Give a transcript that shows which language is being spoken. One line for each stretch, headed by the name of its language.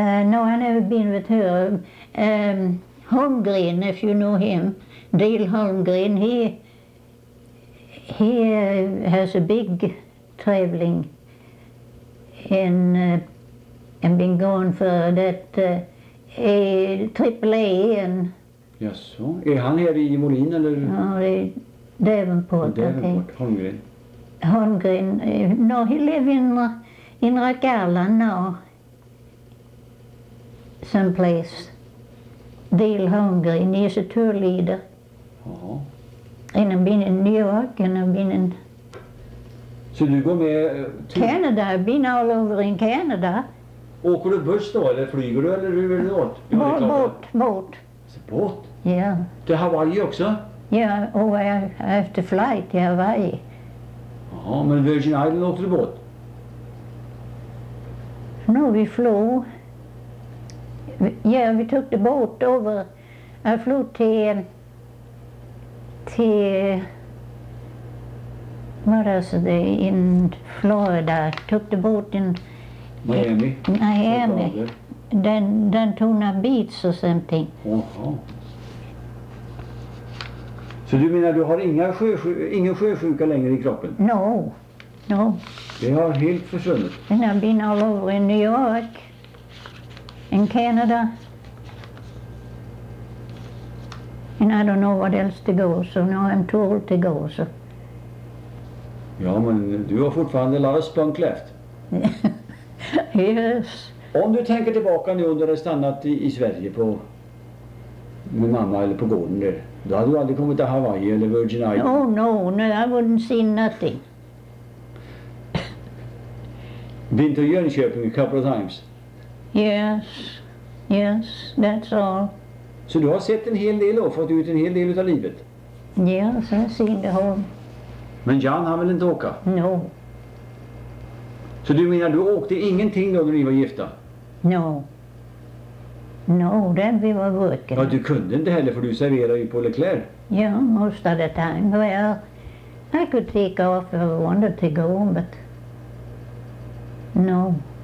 English: No, I've never been with her. Holmgren, if you know him, Dale Holmgren, he has a big traveling in and been gone for that AAA in. Yes, so
Swedish: är han här i Molin eller? Ja, i Davenport. Holmgren.
English: Holmgren. No, he lives in Rakala now. Someplace. Dale Holmgren, he is a tour leader.
Swedish: Ja.
English: And I've been in New York and I've been in.
Swedish: Så du går med
English: Canada, I've been all over in Canada.
Swedish: Åker du buss då eller flyger du eller hur vill du åt? Båt. Båt? Ja. Yeah. Till Hawaii också?
English: Ja, yeah, oh, I have to fly till Hawaii.
Swedish: Ja, men Virgin Island åker du båt?
English: No, we flew. Yeah, we took the boat over. I flew till what else are they in Florida? Took the boat in Miami. Then Daytona Beach or something.
Swedish: Så du menar du har ingen sjösjuka längre i kroppen?
English: No, no.
Swedish: Det har helt försvunnit.
English: And I've been all over in New York, in Canada, and I don't know what else to go. So now I'm too old to go. So.
Swedish: Ja, men du har fortfarande lite
English: spunk left. Yes.
Swedish: Om du tänker tillbaka nu när du har stannat i Sverige på med mamma eller på gården där, då hade du aldrig kommit till Hawaii eller Virgin Islands.
English: Oh no, no, I wouldn't see nothing. Been to Jönköping a couple of times. Yes, yes, that's all.
Swedish: Så du har sett en hel del och fått ut en hel del av livet?
English: Yes, I've seen the whole.
Swedish: Men Jan har väl inte åka?
English: No.
Swedish: Så du menar du åkte ingenting då när ni var gifta?
English: No. No, then we were working.
Swedish: Ja, du kunde inte heller för du serverade ju på Leclerc.
English: Yeah, most of the time. Well, I could take off if I wanted to go, but no.